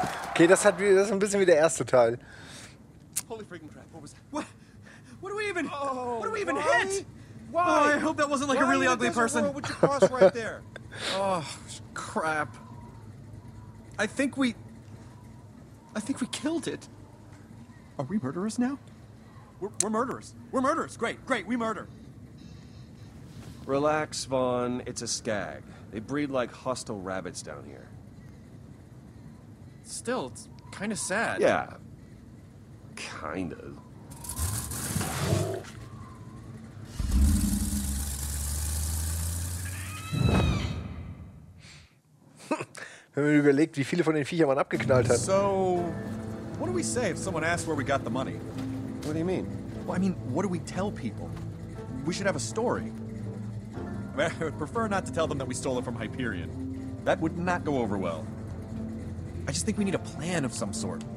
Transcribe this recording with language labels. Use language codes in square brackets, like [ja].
[de] Okay, das ist ein bisschen wie der erste Teil. [en] Holy freaking crap, what was that? What do we even, oh, what do we even why? Hit? Why? Oh, I hope that wasn't like why a really ugly person. What would you cross right there? Oh, crap. I think we killed it. Are we murderers now? We're murderers. We're murderers. Great, we murder. Relax, Vaughn. It's a skag. They breed like hostile rabbits down here. Still, it's kind of sad. Yeah. Kind of. [de] Wenn man überlegt, wie viele von den Viechern man abgeknallt hat. [en] So, what do we say if someone asks where we got the money? What do you mean? Well, I mean, what do we tell people? We should have a story. I mean, I would prefer not to tell them that we stole it from Hyperion. That would not go over well. I just think we need a plan of some sort.